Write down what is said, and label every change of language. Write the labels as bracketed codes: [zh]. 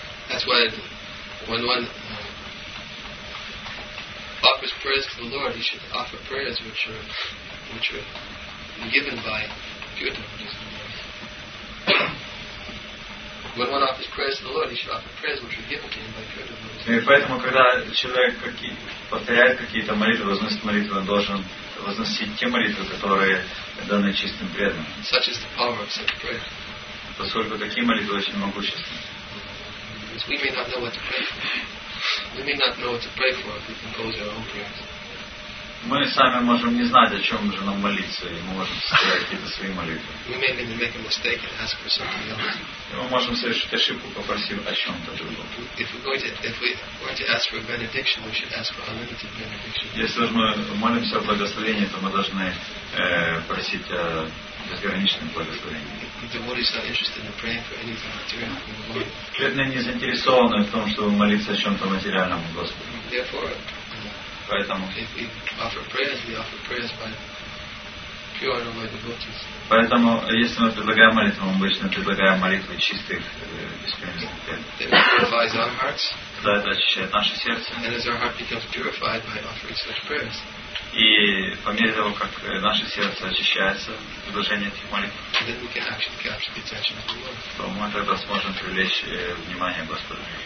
[en] That's why when one offers prayers to the Lord, he should offer prayers which are given by pure devotees. When one offers prayers to the Lord, he should offer prayers which are given to him by pure devotees. [ru] И поэтому, когда человек повторяет какие-то молитвы, возносит молитвы, он должен возносить те молитвы, которые даны чистым преданным. [en] Such is the power of such prayer. [ru] Поскольку такие молитвы очень могущественны. [en] We may not know what to pray for. We may not know what to pray for if we compose our own prayers. [ru] Мы сами можем не знать, о чем же нам молиться, и мы можем сказать какие-то свои молитвы. [en] We may even make a mistake and ask for something else. [ru] Мы можем совершить ошибку, попросив о чем-то другом. [en] If we're going to ask for a benediction, we should ask for unlimited benediction. [ru] Если мы молимся о благословении, то мы должны просить о безграничном благословении. [en] Devotees are interested in praying for anything material from the Lord. [ru] Преданные не заинтересованы в том, чтобы молиться о чем-то материальном Господу. [en] Therefore, [ru] поэтому [en] if we offer prayers, we offer prayers by pure and unlimited devotees. [ru] Поэтому, если мы предлагаем молитву, мы обычно предлагаем молитву чистых, беспримесных преданных. Тогда это очищает наше сердце. [en] And as our heart becomes purified by offering such prayers. [ru] И по мере того, как наше сердце очищается в предложении этих молитв, [en] then we can actually capture the attention of the Lord. [ru] То мы тогда сможем привлечь внимание Господа.